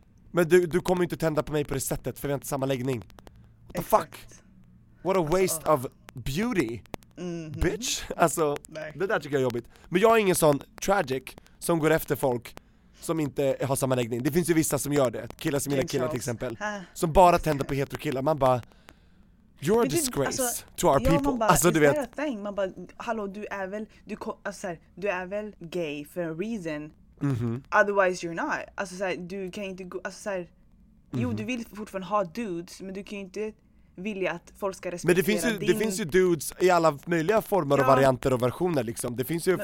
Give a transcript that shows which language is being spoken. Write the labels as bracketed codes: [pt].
[sv] Men du kommer ju inte tända på mig på det sättet, för vi har inte samma läggning. [en] What the fuck? What a waste of beauty. [sv] Mm-hmm. Bitch, alltså, nej. Det där tycker jag är jobbigt. Men jag är ingen sån tragic som går efter folk som inte har samma läggning. Det finns ju vissa som gör det, killar som gillar killar till exempel, som bara tänder på hetero killar. Man bara, [en] you're a disgrace to our people. [sv] Man bara, alltså, du vet, man bara, hallå, du är väl du är väl [en] gay for a reason. Mm-hmm. Otherwise you're not. [sv] Alltså såhär, du kan inte gå, alltså, såhär, mm-hmm. Jo, du vill fortfarande ha dudes, men du kan ju inte vilja att folk ska respektera. Men det finns ju, din... det finns ju dudes i alla möjliga former, ja. Och varianter och versioner liksom. Det finns ju men...